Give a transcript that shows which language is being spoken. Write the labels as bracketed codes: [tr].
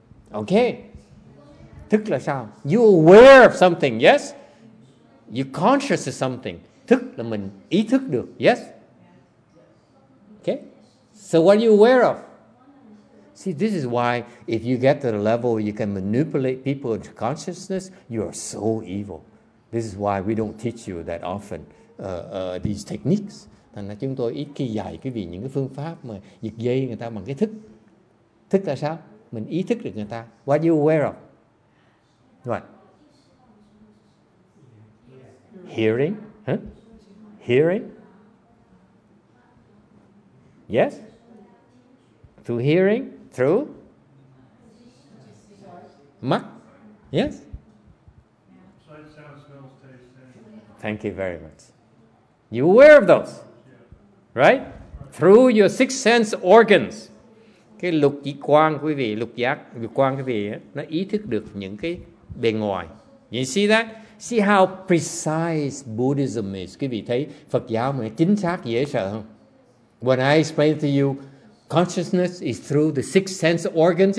[en] Okay. [vi] Thức là sao? [en] You're aware of something, yes? You're conscious of something. [vi] Thức là mình ý thức được, yes? [en] Okay? So what are you aware of? See, this is why if you get to the level you can manipulate people into consciousness, you are so evil. This is why we don't teach you that often these techniques. [vi] Thành ra chúng tôi ít khi dạy quý vị những cái phương pháp mà giật dây người ta bằng cái thức. Thức là sao? Mình ý thức được người ta. [en] What are you aware of? What? Hearing? Huh? Hearing? Yes? Through hearing? Through? [vi] Mắt? Yes? [en] Sight, sound, smell, taste, and... Thank you very much. You're aware of those? Right? Through your six sense organs. [vi] Cái lục giác quan quý vị, lục giác quan quý vị, nó ý thức được những cái bề ngoài. [en] You see that? See how precise Buddhism is. [vi] Quý vị thấy Phật giáo mà chính xác dễ sợ không? [en] When I explain to you, consciousness is through the six sense organs.